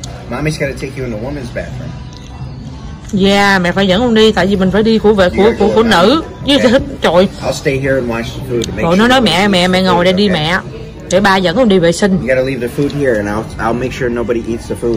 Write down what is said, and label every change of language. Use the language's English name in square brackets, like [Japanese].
[English] Mommy's gotta take you in the woman's bathroom. [Vietnamese] Yeah, mẹ phải dẫn con đi, tại vì mình phải đi của vệ của nữ. Chứ okay. Trời. [English] I'll stay here and watch the food. [Vietnamese] Rồi nó nói mẹ ngồi đây đi mẹ. Để ba dẫn con đi vệ sinh. [English] You gotta leave the food here and I'll make sure nobody eats the food.